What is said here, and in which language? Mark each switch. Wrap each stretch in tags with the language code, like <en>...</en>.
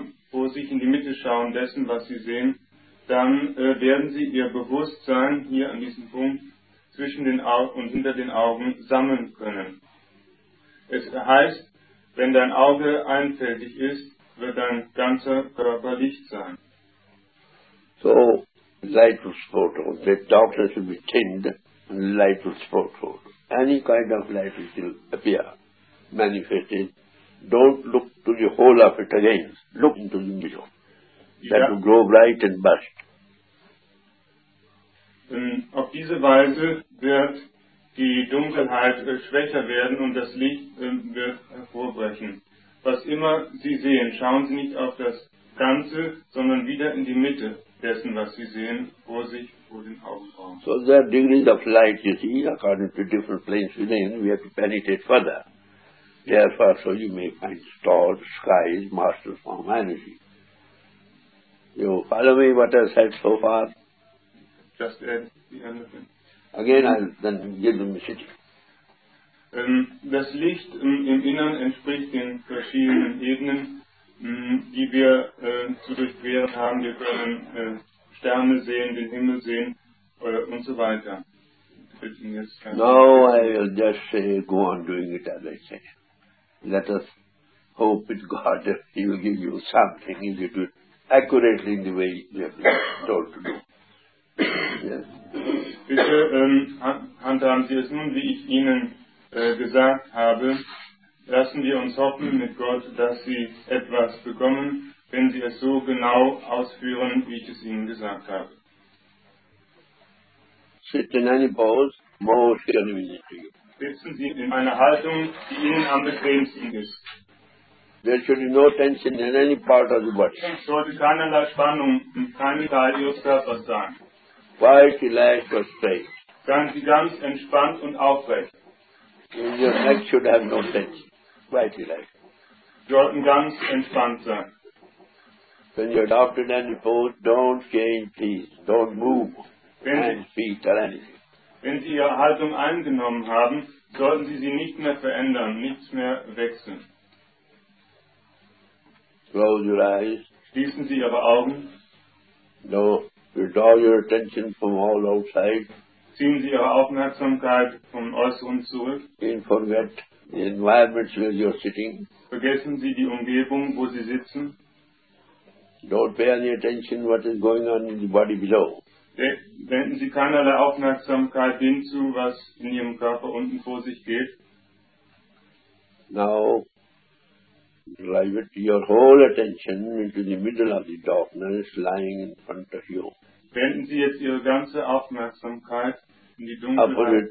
<de>vor sich in die Mitte schauen dessen, was Sie sehen, dann werden Sie Ihr Bewusstsein hier an diesem Punkt zwischen den Augen und hinter den Augen sammeln können. Es heißt, wenn dein Auge einfältig ist, wird dein ganzer Körper Licht sein.</de> <en>So, light will spread through. The darkness will be thinned and light will spread through. Any kind of light will still appear, manifested. Don't look to the whole of it again. Look into the middle. That will grow bright and burst.</en> <de>Auf diese Weise wird die Dunkelheit schwächer werden und das Licht wird hervorbrechen. Was immer Sie sehen, schauen Sie nicht auf das Ganze, sondern wieder in die Mitte dessen, was Sie sehen, vor sich, vor den Augenbrauen.</de> <en>So there are degrees of light, you see, according to different planes within, we have to penetrate further. Therefore, so you may find stars, skies, master form, energy. You follow me, what I said so far? Just add the end of it. Again, I'll then give them a city.</en> <de>Das Licht im Innern entspricht den verschiedenen Ebenen, die wir zu durchqueren haben. Wir können Sterne sehen, den Himmel sehen und so weiter.</de> <en>Now I will just say, go on doing it as I say. Let us hope with God that He will give you something if you do it accurately in the way you have been told to do. Yes.</en> <de>Bitte, handhaben Sie es nun, wie ich Ihnen gesagt habe. Lassen wir uns hoffen mit Gott, dass Sie etwas bekommen, wenn Sie es so genau ausführen, wie ich es Ihnen gesagt habe.</de> <en>Sit in any pose, most convenient to you.</en> <de>Sitzen Sie in einer Haltung, die Ihnen am bequemsten ist.</de> <en>There should be no tension in any part of the body.</en> <de>Es sollte keinerlei Spannung in keinem Teil Ihres Körpers sein.</de> <en>Quite relaxed or straight.</en> <de>Seien Sie ganz entspannt und aufrecht.</de> <en>Your neck should have no tension. Quite relaxed.</en> <de>Sie sollten ganz entspannt sein.</de> <en>When you adopted any pose, don't change, please. Don't move hands, feet or anything.</en> <de>Wenn Sie Ihre Haltung eingenommen haben, sollten Sie sie nicht mehr verändern, nichts mehr wechseln.</de> <en>Close your eyes.</en> <de>Schließen Sie Ihre Augen.</de> <en>No. Withdraw your attention from all outside.</en> <de>Ziehen Sie Ihre Aufmerksamkeit vom Äußeren zurück.</de> <en>And forget the environment where you're sitting.</en> <de>Vergessen Sie die Umgebung, wo Sie sitzen.</de> <en>Don't pay any attention what is going on in the body below.</en> <de>Wenden Sie keinerlei Aufmerksamkeit dem zu, was in Ihrem Körper unten vor sich geht.</de> <en>Now, drive your whole attention into the middle of the darkness lying in front of you.</en> <de>Wenden Sie jetzt Ihre ganze Aufmerksamkeit in die Dunkelheit.</de>